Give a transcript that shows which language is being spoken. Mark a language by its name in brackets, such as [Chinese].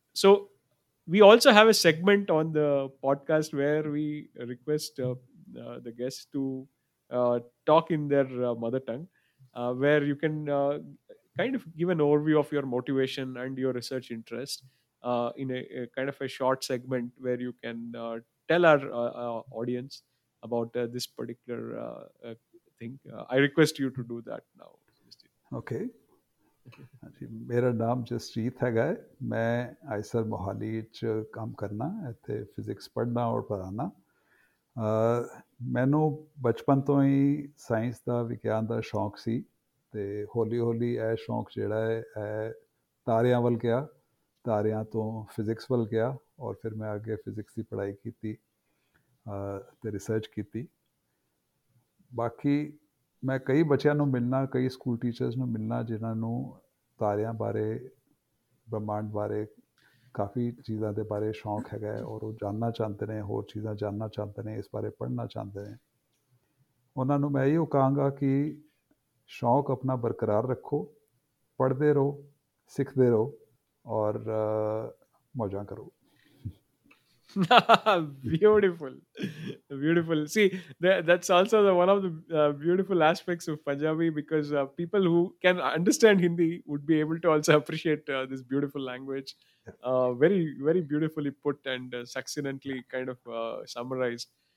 [English] So we also have a segment on the podcast where we request the guests to talk in their mother tongue, where you can kind of give an overview of your motivation and your research interest in a kind of a short segment where you can tell our audience about this particular I request you to do that now. Okay. [Punjabi] ਮੇਰਾ ਨਾਮ ਜਸਜੀਤ ਹੈਗਾ ਹੈ ਮੈਂ ਆਈਸਰ ਮੋਹਾਲੀ 'ਚ ਕੰਮ ਕਰਨਾ ਇੱਥੇ physics ਪੜ੍ਹਨਾ ਔਰ ਪੜ੍ਹਾਉਣਾ ਮੈਨੂੰ ਬਚਪਨ ਤੋਂ ਹੀ ਸਾਇੰਸ ਦਾ ਵਿਗਿਆਨ ਦਾ ਸ਼ੌਂਕ ਸੀ ਅਤੇ ਹੌਲੀ ਹੌਲੀ ਇਹ ਸ਼ੌਂਕ ਜਿਹੜਾ ਹੈ ਇਹ ਤਾਰਿਆਂ ਵੱਲ ਗਿਆ ਤਾਰਿਆਂ ਤੋਂ ਫਿਜ਼ਿਕਸ ਵੱਲ ਗਿਆ ਔਰ ਫਿਰ ਮੈਂ ਅੱਗੇ ਫਿਜ਼ਿਕਸ ਦੀ ਪੜ੍ਹਾਈ ਕੀਤੀ ਅਤੇ ਰਿਸਰਚ ਕੀਤੀ ਬਾਕੀ ਮੈਂ ਕਈ ਬੱਚਿਆਂ ਨੂੰ ਮਿਲਣਾ ਕਈ ਸਕੂਲ ਟੀਚਰਸ ਨੂੰ ਮਿਲਣਾ ਜਿਨ੍ਹਾਂ ਨੂੰ ਤਾਰਿਆਂ ਬਾਰੇ ਬ੍ਰਹਿਮੰਡ ਬਾਰੇ ਕਾਫੀ ਚੀਜ਼ਾਂ ਦੇ ਬਾਰੇ ਸ਼ੌਂਕ ਹੈਗਾ ਔਰ ਉਹ ਜਾਣਨਾ ਚਾਹੁੰਦੇ ਨੇ ਹੋਰ ਚੀਜ਼ਾਂ ਜਾਣਨਾ ਚਾਹੁੰਦੇ ਨੇ ਇਸ ਬਾਰੇ ਪੜ੍ਹਨਾ ਚਾਹੁੰਦੇ ਨੇ ਉਹਨਾਂ ਨੂੰ ਮੈਂ ਇਹੋ ਕਹਾਂਗਾ ਕਿ ਸ਼ੌਂਕ ਆਪਣਾ ਬਰਕਰਾਰ ਰੱਖੋ ਪੜ੍ਹਦੇ ਰਹੋ ਸਿੱਖਦੇ ਰਹੋ ਔਰ ਮੌਜਾਂ ਕਰੋ [English] Beautiful, beautiful. See, that's also the one of the beautiful aspects of Punjabi, because people who can understand Hindi would be able to also appreciate this beautiful language. Very, very beautifully put and succinctly kind of summarized.